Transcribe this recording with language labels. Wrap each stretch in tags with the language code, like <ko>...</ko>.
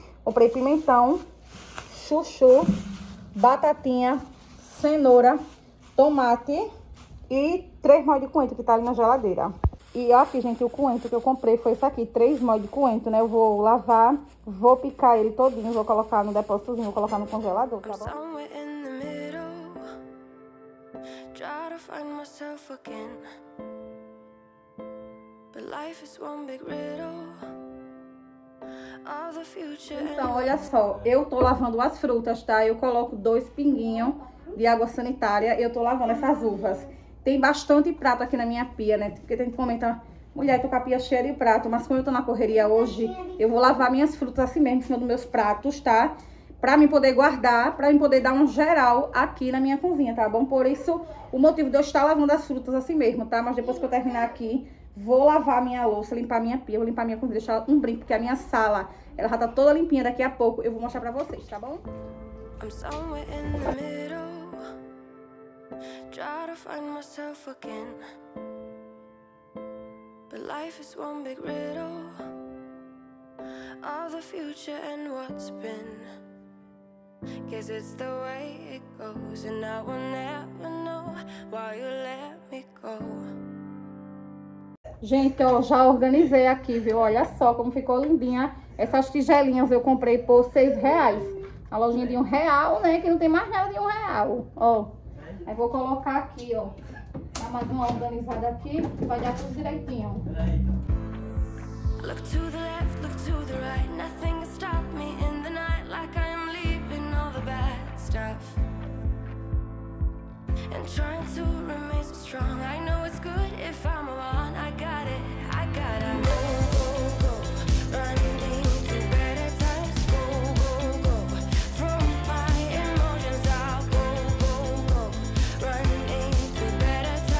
<pt>Comprei pimentão, chuchu, batatinha, cenoura, tomate e 3 molhos de coentro que tá ali na geladeira. E ó aqui, gente, o coentro que eu comprei foi esse aqui, 3 molhos de coentro, né? Eu vou lavar, vou picar ele todinho, vou colocar no depósitozinho, vou colocar no congelador, tá bom?</pt> <en>Somewhere in the middle, try to find myself again. But life is one big riddle of the future.</en> <pt>Então, olha só, eu tô lavando as frutas, tá? Eu coloco 2 pinguinhos de água sanitária e eu tô lavando essas uvas. Tem bastante prato aqui na minha pia, né? Porque tem que comentar, mulher, tô com a pia cheia de prato. Mas como eu tô na correria hoje, eu vou lavar minhas frutas assim mesmo, em cima dos meus pratos, tá? Pra mim poder guardar, pra mim poder dar um geral aqui na minha cozinha, tá bom? Por isso, o motivo de eu estar lavando as frutas assim mesmo, tá? Mas depois que eu terminar aqui, vou lavar minha louça, limpar minha pia, vou limpar minha cozinha, deixar um brinco, porque a minha sala, ela já tá toda limpinha daqui a pouco. Eu vou mostrar pra vocês, tá bom?</pt> <en>I'm somewhere in the middle. Try to find myself again. But life is one big riddle of the future and what's been. Guess it's the way it goes. And I will never know why you let me go.</en> <pt>Gente, eu já organizei aqui, viu? Olha só como ficou lindinha. Essas tigelinhas eu comprei por R$ 6. A lojinha de R$ 1, né? Que não tem mais nada de R$ 1. Ó. Oh. Aí vou colocar aqui, ó. Dá mais uma organizada aqui, que vai dar tudo direitinho.</pt> <en>Look to the left, look to the right. Nothing can stop me in the night. Like I'm leaving all the bad stuff. And trying to remain so strong. I know it's good if I'm on. I got it. Go, go, go. Run into better times. Go, go, go. From my emotions, I'll go, go, go. Run into better.</en>